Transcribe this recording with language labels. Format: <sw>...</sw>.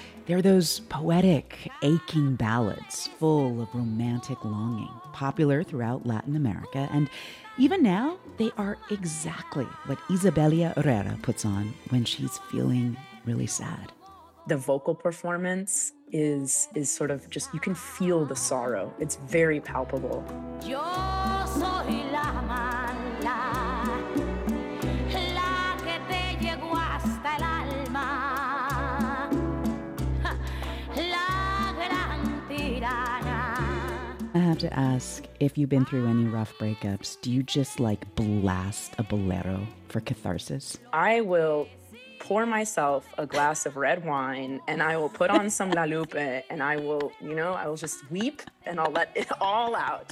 <en>They're those poetic, aching ballads full of romantic longing, popular throughout Latin America. And even now, they are exactly what Isabella Herrera puts on when she's feeling really sad. The vocal performance is sort of just, you can feel the sorrow. It's very palpable.</en> <es>Yo soy la mala, la que te llegó hasta el alma, la gran tirana.</es> <en>I have to ask, if you've been through any rough breakups, do you just like blast a bolero for catharsis? I will pour myself a glass of red wine and I will put on some La Lupe and I will, you know, I will just weep and I'll let it all out.</en>